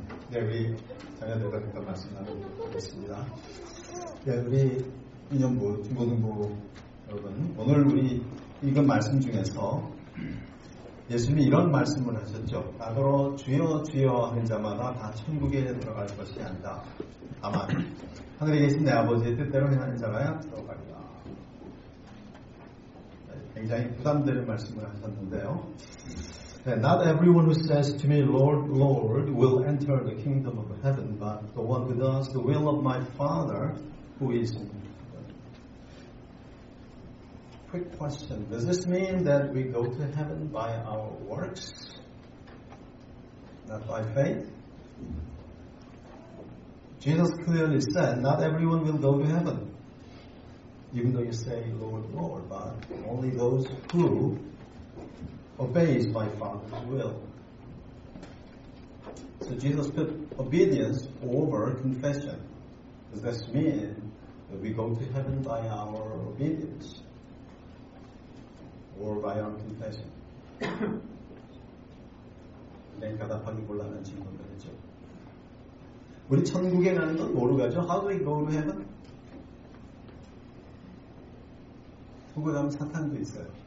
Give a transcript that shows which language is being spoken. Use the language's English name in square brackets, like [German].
[Korean] 네, 우리 자녀들과 잠깐 말씀 나누겠습니다. 네, 우리 인연부 중고등부 여러분, 오늘 우리 읽은 말씀 중에서 예수님이 이런 말씀을 하셨죠. 나더러 주여 주여 하는 자마다 다 천국에 들어갈 것이 아니다. 다만 하늘에 계신 내 아버지의 뜻대로 행하는 자가야 들어가리라. 굉장히 부담되는 말씀을 하셨는데요. [English] Not everyone who says to me, Lord, Lord, will enter the kingdom of heaven, but the one who does the will of my Father who is in heaven. Quick question. Does this mean that we go to heaven by our works? Not by faith? Jesus clearly said, not everyone will go to heaven. Even though you say, Lord, Lord, but only those who obeys my Father's will. So Jesus put obedience over confession. Does this mean that we go to heaven by our obedience? Or by our confession? [Korean] 굉장히 가답하기 곤란한 질문이죠. 우리 천국에 가는 건 뭐로 가죠? [English] How do we go to heaven? [Korean] 천국에 가면 사탄도 있어요.